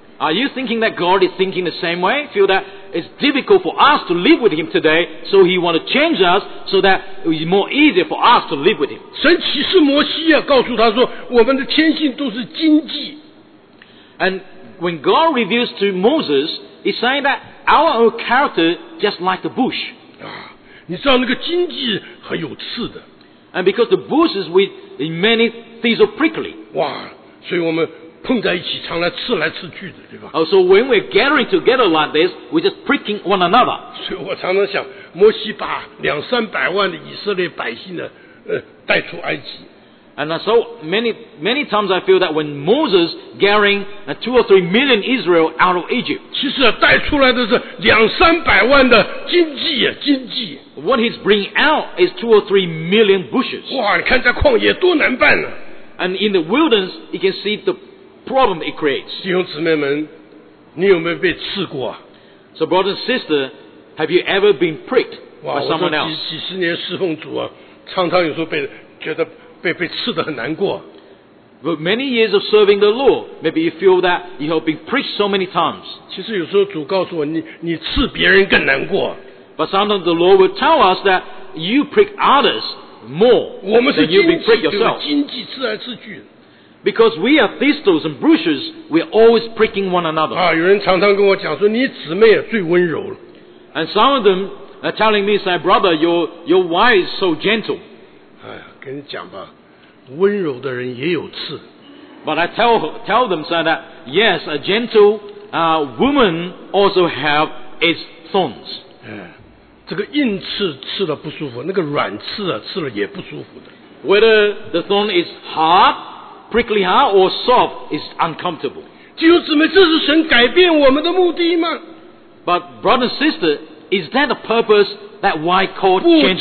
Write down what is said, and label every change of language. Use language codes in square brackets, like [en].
[en] Are you thinking that God is thinking the same way? Feel that it's difficult for us to live with Him today, so He wants to change us so that it's more easier for us to live with Him. [zh] 神启示摩西啊，告诉他说，我们的天性都是荆棘。 [en] And when God reveals to Moses, He said that our own character just like the bush. [zh] 啊，你知道那个荆棘很有刺的。 [en] And because the bush is with many things are prickly. [zh] 哇，所以我们碰在一起，常来刺来刺去的，对吧？ [en] So when we're gathering together like this, we're just pricking one another. [zh] 所以我常常想，摩西把两三百万的以色列百姓呢，带出埃及。 [en] And so many times I feel that when Moses gathering two or three million Israel out of Egypt, [zh] 其实、啊、带出来的是两三百万的荆棘啊，荆棘。 [en] What he's bringing out is two or three million bushes. [zh] 哇，你看在旷野多难办呢、啊。 [en] And in the wilderness, you can see the problem it creates. [zh] 弟兄姊妹们，你有没有被刺过啊？ [en] So brother and sister, have you ever been pricked by someone else? [zh] 哇，我这几十年侍奉主啊，常常有时候觉得被刺得很难过。 [en] But many years of serving the Lord, maybe you feel that you have been pricked so many times. [zh] 其实有时候主告诉我，你刺别人更难过。 [en] But sometimes the Lord will tell us that you prick others more than you've been pricked yourself. [zh] 荆棘刺来刺去。 [en] Because we are thistles and bushes, we are always pricking one another. [zh] 啊，有人常常跟我讲说，你姊妹啊最温柔了。 [en] And some of them are telling me, say, brother, your wife is so gentle. [zh] 哎，跟你讲吧，温柔的人也有刺。 [en] But I tell them, say that yes, a gentle woman also have its thorns. [zh] 哎，这个硬刺刺了不舒服，那个软刺啊刺了也不舒服的。 [en] Whether the thorn is hard. Prickly hard or soft is uncomfortable. [zh] 弟兄姊妹，这是神改变我们的目的吗？ [en] But brother and sister, is that the purpose that why God changes us?